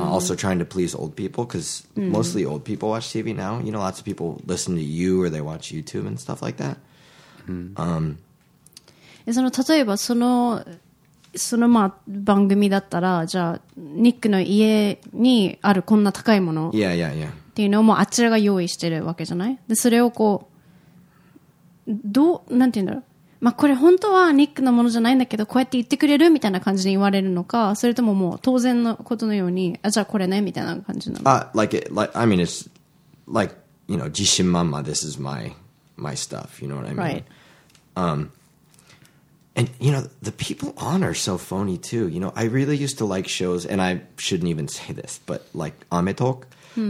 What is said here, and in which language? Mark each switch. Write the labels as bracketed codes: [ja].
[en] Also trying to please old people, because mostly old people watch TV now. You know, lots of people listen to you or they watch YouTube and stuff like that. [ja] その、まあ、番組だったら、じゃあ、ニックの家にあるこんな高いもの。いやいやいや。っていうのをもうあちらが用意してるわけじゃない？で、それをこう、どう、なんて言うんだろう。まあ、これ本当はニックのものじゃないんだけど、こうやって言ってくれるみたいな感じに言われるのか、それとももう当然のことのように、あ、じゃあこれね、みたいな感じなの。 [en] I mean, it's like, you know, [ja] 自信満々、 [en] this is my stuff, you know what I mean? Right. And, you know, the people on are so phony, too. You know, I really used to like shows, and I shouldn't even say this, but, like, Ametalk. Mm-hmm.